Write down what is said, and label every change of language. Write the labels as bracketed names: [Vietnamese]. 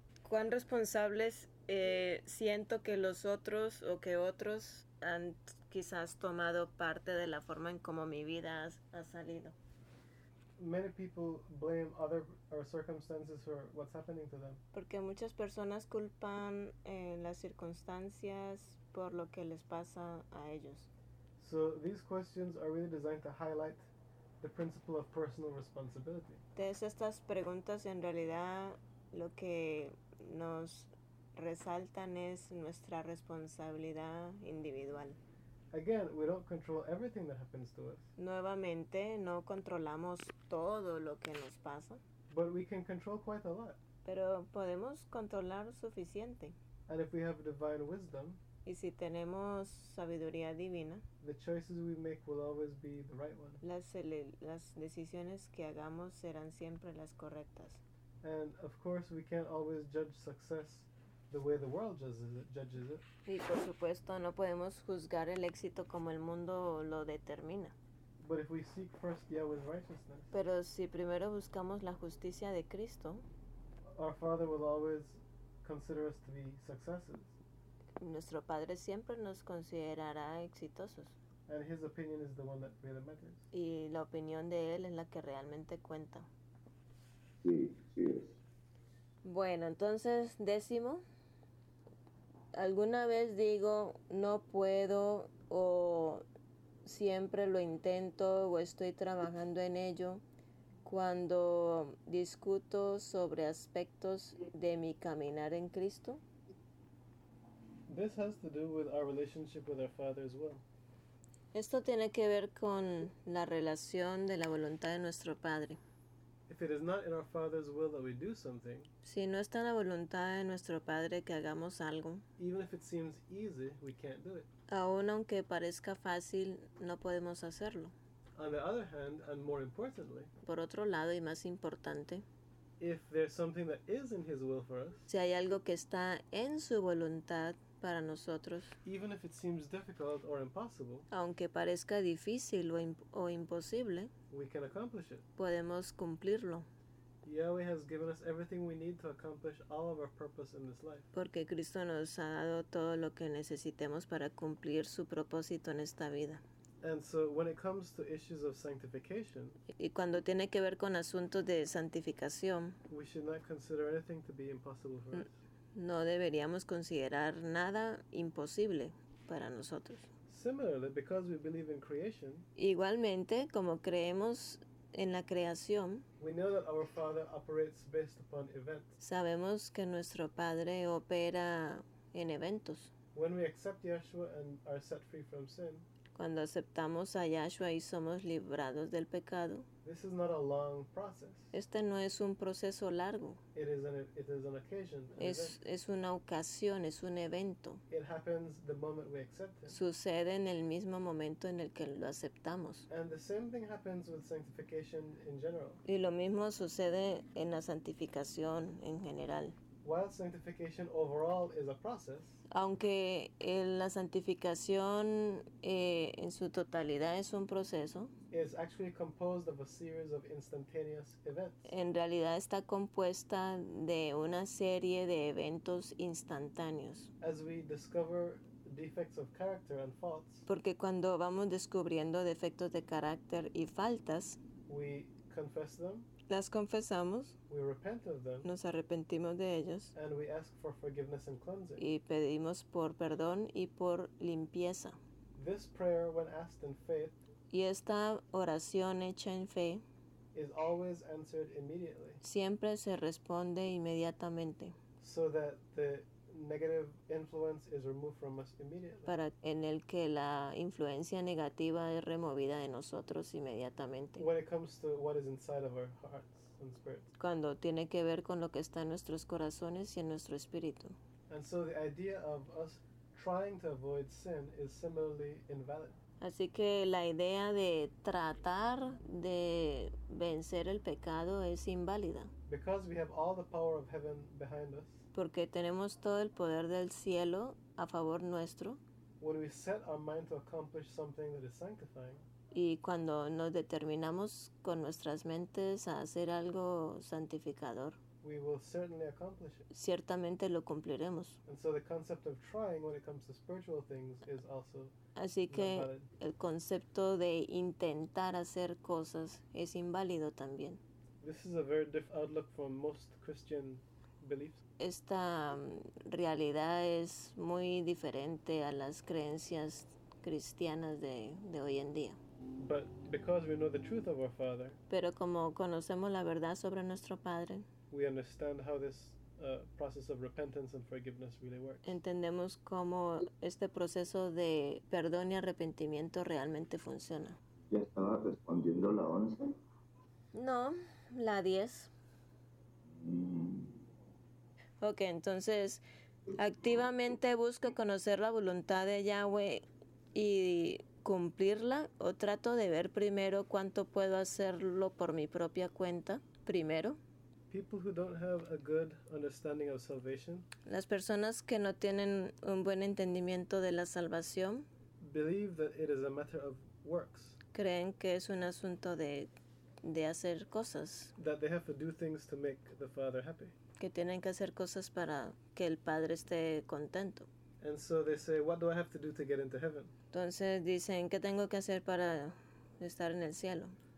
[Spanish] ¿Cuán responsables siento que los otros o que otros han quizás tomado parte de la forma en cómo mi vida ha salido? [English] Many people blame other or circumstances for what's happening to them. [Spanish] Porque muchas personas culpan las circunstancias por lo que les pasa a ellos. [English] So these questions are really designed to highlight the principle of personal responsibility. [Spanish] Entonces estas preguntas en realidad lo que nos resaltan es nuestra responsabilidad individual. [English] Again, we don't control everything that happens to us. [Spanish] Nuevamente, no controlamos todo lo que nos pasa. [English] But we can control quite a lot. [Spanish] Pero podemos controlar suficiente. [English] And if we have divine wisdom, [Spanish] y si tenemos sabiduría divina, [English] the choices we make will always be the right one. [Spanish] Las decisiones que hagamos serán siempre las correctas. [English] And of course, we can't always judge success the way the world judges it. [Spanish] Y por supuesto, no podemos juzgar el éxito como el mundo lo determina. [English] But if we seek first Yahweh's righteousness, [Spanish] pero si primero buscamos la justicia de Cristo, [English] our Father will always consider us to be successes. [Spanish] Nuestro Padre siempre nos considerará exitosos. [English] And his opinion is the one that really matters. [Spanish] Y la opinión de él es la que realmente cuenta. Sí. [English] Yes. [Spanish] Bueno, entonces, décimo, ¿alguna vez digo no puedo o siempre lo intento o estoy trabajando en ello cuando discuto sobre aspectos de mi caminar en Cristo? [English] This has to do with our relationship with our Father as well. [Spanish] Esto tiene que ver con la relación de la voluntad de nuestro Padre. [English] If it is not in our Father's will that we do something, [Spanish] si no está la voluntad de nuestro Padre que hagamos algo, [English] even if it seems easy, we can't do it. [Spanish] Aun aunque parezca fácil, no podemos hacerlo. [English] On the other hand, and more importantly, [Spanish] por otro lado y más importante, [English] if there's something that is in His will for us, [Spanish] si hay algo que está en su voluntad para nosotros, [English] even if it seems difficult or impossible, [Spanish] aunque parezca difícil o imposible, [English] we can accomplish it. [Spanish] Podemos cumplirlo. [English] Yahweh has given us everything we need to accomplish all of our purpose in this life. [Spanish] Porque Cristo nos ha dado todo lo que necesitemos para cumplir su propósito en esta vida. [English] And so when it comes to issues of sanctification, [Spanish] y cuando tiene que ver con asuntos de santificación, [English] we should not consider anything to be impossible for us. [Spanish] No deberíamos considerar nada imposible para nosotros. [English] Similarly, because we believe in creation, [Spanish] igualmente, como creemos en la creación, [English] we know that our Father operates based upon events. [Spanish] Sabemos que nuestro Padre opera en eventos. [English] When we accept Yahshua and are set free from sin, [Spanish] cuando aceptamos a Yahshua y somos librados del pecado, [English] this is not a long process. [Spanish] Este no es un proceso largo. [English] It is an occasion, an event. [Spanish] Es una ocasión, es un evento. [English] It happens the moment we accept Him. [Spanish] Sucede en el mismo momento en el que lo aceptamos. [English] And the same thing happens with sanctification in general. [Spanish] Y lo mismo sucede en la santificación en general. [English] While sanctification overall is a process, [Spanish] aunque la santificación en su totalidad es un proceso, [English] is actually composed of a series of instantaneous events. [Spanish] En realidad está compuesta de una serie de eventos instantáneos. [English] As we discover defects of character and faults, [Spanish] porque cuando vamos descubriendo defectos de carácter y faltas, [English] we confess them. [Spanish] Las confesamos, [English] we repent of them, [Spanish] nos arrepentimos de ellos, [English] and we ask for forgiveness and cleansing. [Spanish] Y pedimos por perdón y por limpieza. [English] This prayer, when asked in faith, [Spanish] y esta oración hecha en fe, [English] is always answered immediately, [Spanish] siempre se responde inmediatamente, [English] so that the negative influence is removed from us immediately. [Spanish] Para en el que la influencia negativa es removida de nosotros inmediatamente. [English] When it comes to what is inside of our hearts and spirits. [Spanish] Cuando tiene que ver con lo que está en nuestros corazones y en nuestro espíritu. [English] And so the idea of us trying to avoid sin is similarly invalid. [Spanish] Así que la idea de tratar de vencer el pecado es inválida. [English] Because we have all the power of heaven behind us. [Spanish] Porque tenemos todo el poder del cielo a favor nuestro. [English] When we set our mind to accomplish something that is sanctifying, [Spanish] y cuando nos determinamos con nuestras mentes a hacer algo santificador, [English] we will certainly accomplish it. [Spanish] Ciertamente lo cumpliremos. [English] And so the concept of trying when it comes to spiritual things is also [Spanish] así que el concepto de intentar hacer cosas es inválido también. [English] This is a very different outlook from most Christian beliefs. [Spanish] Esta realidad es muy diferente a las creencias cristianas de hoy en día. [English] But because we know the truth of our Father, [Spanish] pero como conocemos la verdad sobre nuestro Padre, [English] we understand how this process of repentance and forgiveness really works. [Spanish] Entendemos cómo este proceso de perdón y arrepentimiento realmente funciona. ¿Ya estaba respondiendo la 11? No, la 10. Ok, entonces, activamente busco conocer la voluntad de Yahweh y cumplirla, o trato de ver primero cuánto puedo hacerlo por mi propia cuenta, primero. [English] People who don't have a good understanding of salvation, [Spanish] las personas que no tienen un buen entendimiento de la salvación, [English] believe that it is a matter of works. [Spanish] Creen que es un asunto de hacer cosas. [English] That they have to do things to make the Father happy. [Spanish] Que tienen que hacer cosas para que el Padre esté contento. [English] And so they say, what do I have to do to get into heaven? [Spanish] Entonces dicen, ¿qué tengo que hacer para estar en el cielo?